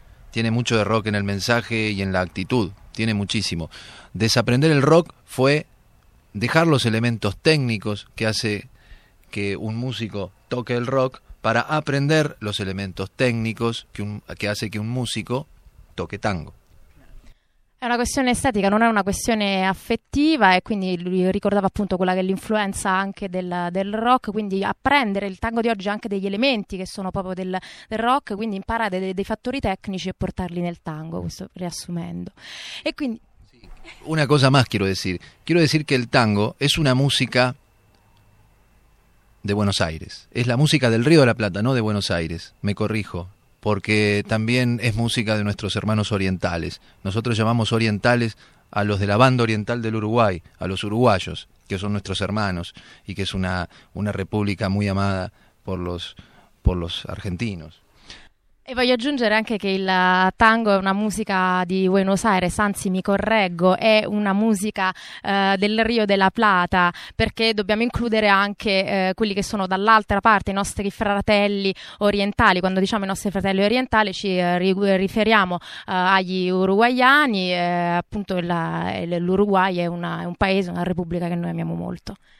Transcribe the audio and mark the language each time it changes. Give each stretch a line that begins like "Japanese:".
Spanish: Tiene mucho de rock en el mensaje y en la actitud, tiene muchísimo. Desaprender el rock fue dejar los elementos técnicos que hace que un músico toque el rock para aprender los elementos técnicos que hace que un músico toque tango.
Italian: È una questione estetica, non è una questione affettiva, e quindi lui ricordava appunto quella che è l'influenza anche del rock, quindi apprendere il tango di oggi anche degli elementi che sono proprio del rock, quindi imparare dei fattori tecnici e portarli nel tango, questo riassumendo. E quindi
Spanish: una cosa más quiero decir que el tango es una música de Buenos Aires, es la música del Río de la Plata, no de Buenos Aires, me corrijo. Porque también es música de nuestros hermanos orientales. Nosotros llamamos orientales a los de la banda oriental del Uruguay, a los uruguayos, que son nuestros hermanos, y que es una república muy amada por los argentinos.
Italian: E voglio aggiungere anche che il tango è una musica di Buenos Aires, anzi mi correggo, è una musica del Rio della Plata, perché dobbiamo includere anche quelli che sono dall'altra parte, i nostri fratelli orientali. Quando diciamo i nostri fratelli orientali ci riferiamo agli uruguayani, appunto l'Uruguay è un paese, una repubblica che noi amiamo molto.